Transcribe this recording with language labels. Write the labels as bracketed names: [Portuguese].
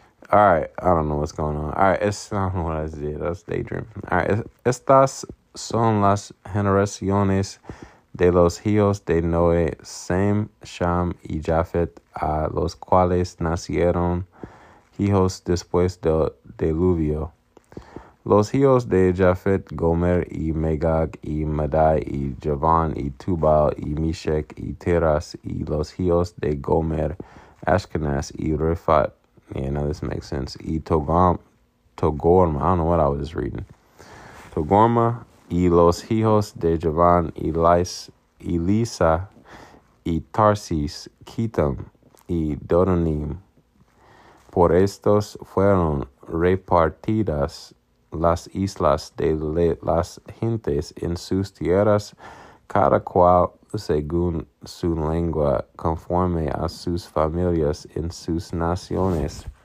[English] All right, I don't know what's going on. All right, it's not what I did. I was daydreaming. [Spanish] All right, estas son las generaciones de los hijos de Noé, Sem, Sham y Japhet, a los cuales nacieron hijos después del diluvio. Los hijos de Japhet: Gomer y Magog y Madai y Javán y Tubal y Meshech y Tiras. Y los hijos de Gomer: Ashkenaz y Rifat. [English] Yeah, now this makes sense. Y Togorma. I don't know what I was just reading. [Spanish] Togorma. Y los hijos de Javán: Elisa y Tarsis, Kitam y Dodanim. Por estos fueron repartidas las islas de las gentes en sus tierras, cada cual según su lengua, conforme a sus familias en sus naciones.